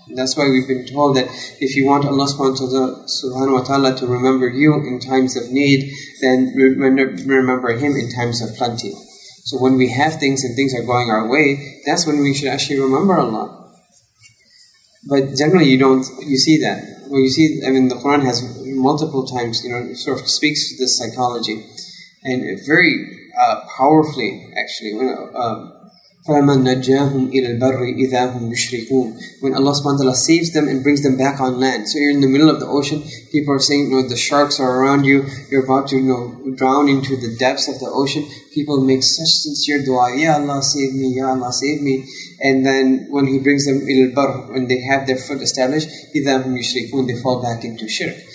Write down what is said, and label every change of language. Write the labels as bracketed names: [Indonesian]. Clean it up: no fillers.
[English] And that's why we've been told that if you want Allah subhanahu wa ta'ala to remember you in times of need, then remember Him in times of plenty. So when we have things and things are going our way, that's when we should actually remember Allah. But generally you see that. The Quran has multiple times, sort of speaks to this psychology. And very powerfully, actually, [Arabic] فَمَنْ نَجَّاهُمْ إِلَى الْبَرِّ إِذَا هُمْ يُشْرِكُونَ. [English] When Allah subhanahu wa ta'ala saves them and brings them back on land. So you're in the middle of the ocean, people are saying, the sharks are around you, you're about to drown into the depths of the ocean. People make such sincere dua, Ya Allah, save me, Ya Allah, save me. And then when He brings them [Arabic] إِلَى الْبَرِّ, [English] when they have their foot established, [Arabic] إِذَا هُمْ يُشْرِكُونَ, [English] they fall back into shirk.